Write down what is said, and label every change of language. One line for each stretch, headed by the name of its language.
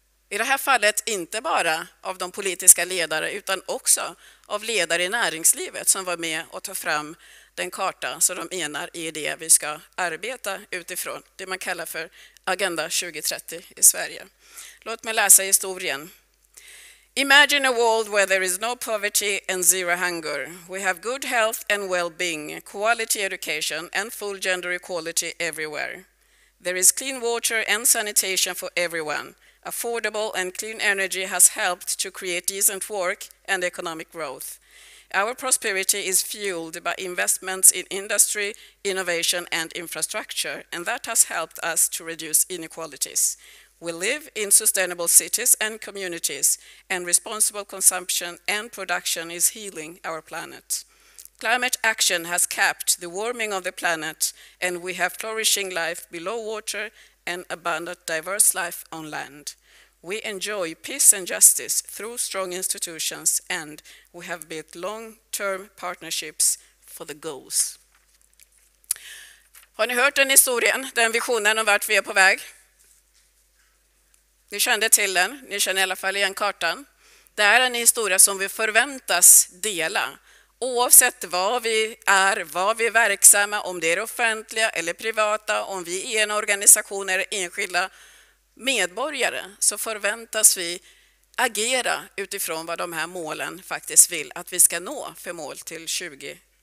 Swedish: I det här fallet inte bara av de politiska ledare utan också av ledare i näringslivet som var med och tog fram den karta som de menar är det vi ska arbeta utifrån, det man kallar för Agenda 2030 i Sverige. Låt mig läsa historien.
English: Imagine a world where there is no poverty and zero hunger. We have good health and well-being, quality education and full gender equality everywhere. There is clean water and sanitation for everyone. Affordable and clean energy has helped to create decent work and economic growth. Our prosperity is fueled by investments in industry, innovation and infrastructure, and that has helped us to reduce inequalities. We live in sustainable cities and communities, and responsible consumption and production is healing our planet. Climate action has capped the warming of the planet, and we have flourishing life below water and abundant diverse life on land. We enjoy peace and justice through strong institutions and we have built long-term partnerships for the goals.
Swedish: Har ni hört den historien, den visionen om vart vi är på väg? Ni kände till den, ni känner i alla fall igen kartan. Det är en historia som vi förväntas dela. Oavsett vad vi är, vad vi är verksamma, om det är offentliga eller privata, om vi är en organisation eller enskilda medborgare så förväntas vi agera utifrån vad de här målen faktiskt vill att vi ska nå för mål till 2030.